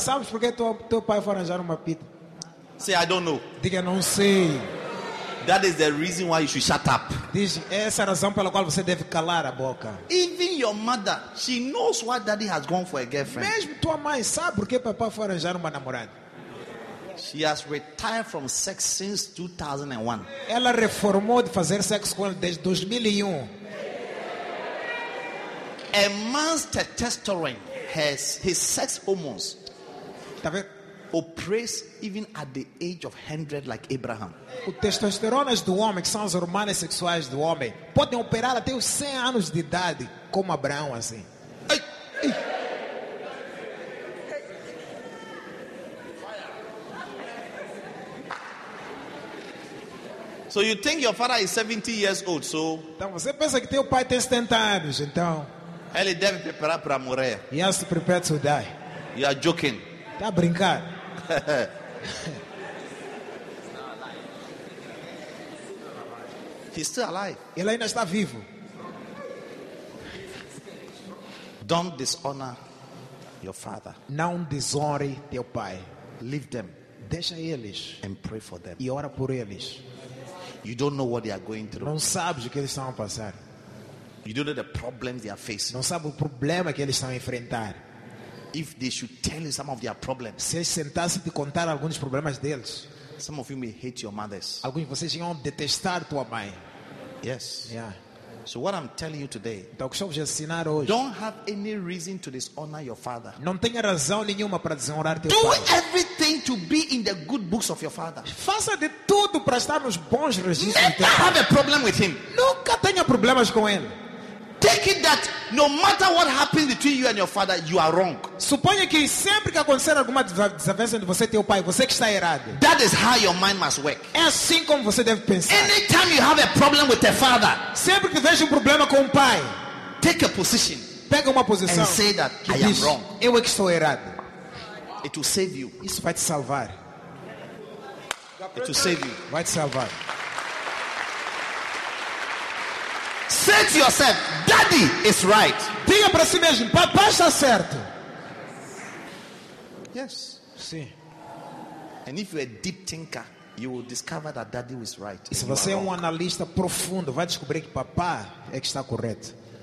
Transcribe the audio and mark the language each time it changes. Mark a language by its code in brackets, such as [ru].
[pt] Sabes por que teu pai foi arranjar uma pita? [en] Say I don't know. [pt] Diga não sei. [en] That is the reason why you should shut up. [pt] Diz, essa é a razão pela qual você deve calar a boca. [en] Even your mother, she knows why daddy has gone for a girlfriend. [pt] Mesmo tua mãe sabe por que papai foi arranjar uma namorada. [en] She has retired from sex since 2001. [pt] Ela reformou de fazer sexo com ele desde 2001. [en] A man's testosterone has his sex hormones. [pt] Tá vendo? [en] Oppress even at the age of 100 like Abraham. [pt] O testosterona do homem, que são as hormonas sexuais do homem, podem operar até os 100 anos de idade como Abraão assim. [en] So you think your father is 70 years old, so... [pt] Então você pensa que teu pai tem 70 anos, então... Ele deve preparar para morrer. [en] He has to prepare to die. You are joking. [pt] Tá brincar. [en] He's still alive. [pt] Ele ainda está vivo. [en] Don't dishonor your father. [pt] Não desonre teu pai. [en] Leave them. [pt] Deixa eles. [en] And pray for them. [pt] E ora por eles. [en] You don't know what they are going through. [pt] Não sabes o que eles estão a passar. [en] You don't know the problems they are facing. [pt] Não sabes o problema que eles estão a enfrentar. [en] If they should tell you some of their problems. [pt] Se eles sentassem te contar alguns problemas deles. [en] Some of you may hate your mothers. [pt] Alguns de vocês iam detestar tua mãe. [en] Yes. Yeah. So what I'm telling you today. [pt] Então o que estou a ensinar hoje. [en] Don't have any reason to dishonor your father. [pt] Não tenha razão nenhuma para desonrar teu [en] Do [pt] pai. [en] Do everything to be in the good books of your father. [pt] Faça de tudo para estar nos bons registros. [en] Never have a problem with him. [pt] Nunca tenha problemas com ele. [en] Take it that no matter what happens between you and your father, you are wrong. [pt] Suponha que sempre que acontecer alguma desavença entre você e teu pai, você que está errado. [en] That is how your mind must work. [pt] É assim como você deve pensar. [en] Anytime you have a problem with a father, [pt] sempre que tiver um problema com o pai, [en] take a position. [pt] Pega uma posição. [en] And say that I am wrong. [pt] Eu é que estou errado. [en] It will save you. [pt] Isso vai te salvar. [en] It will save you. [pt] Vai te salvar. [en] Say to yourself, daddy is right. [pt] Diga para si mesmo, papai está certo. [en] Yes. [pt] Sim. [en] And if you are a deep thinker, you will discover that daddy is right. [pt] E se você é analista profundo, vai descobrir que papai é que está correto.